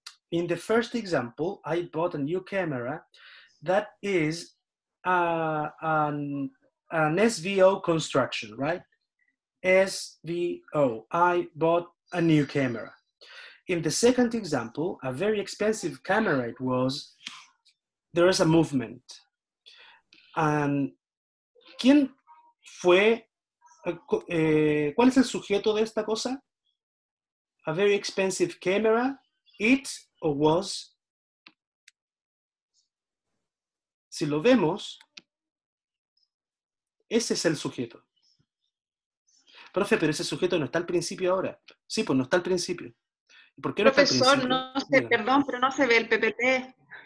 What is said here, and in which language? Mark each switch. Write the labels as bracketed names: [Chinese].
[English] In the first example, I bought a new camera that is an SVO construction, right? SVO, I bought a new camera. In the second example, a very expensive camera it was, there is a movement. [Spanish] And ¿quién fue? ¿Cuál es el sujeto de esta cosa? [English] A very expensive camera, it or was. [Spanish] Si lo vemos, ese es el sujeto. Profe, pero ese sujeto no está al principio ahora. Sí, pues no está al principio. ¿Por qué profesor, no está al principio? No sé, perdón, pero no se ve el PPT.